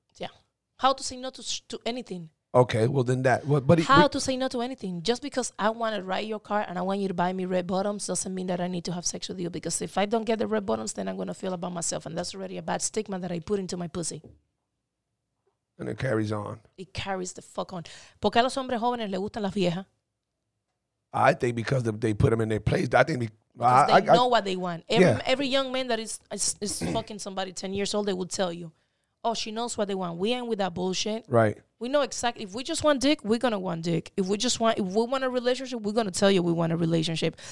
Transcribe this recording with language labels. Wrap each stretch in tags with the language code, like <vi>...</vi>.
<en>Yeah. How to say no to anything. Okay, well then that. Well, but how to say no to anything. Just because I want to ride your car and I want you to buy me red bottoms doesn't mean that I need to have sex with you. Because if I don't get the red bottoms, then I'm going to feel about myself. And that's already a bad stigma that I put into my pussy. And it carries on. It carries the fuck on.</en> <es>¿Por qué a los hombres jóvenes les gustan las viejas?</es> <en>I think because they put them in their place. I think they know what they want. Every young man that is fucking somebody 10 years old, they would tell you, oh, she knows what they want. We ain't with that bullshit. Right. We know exactly. If we just want dick, we're going to want dick. If we want a relationship, we're going to tell you we want a relationship.</en>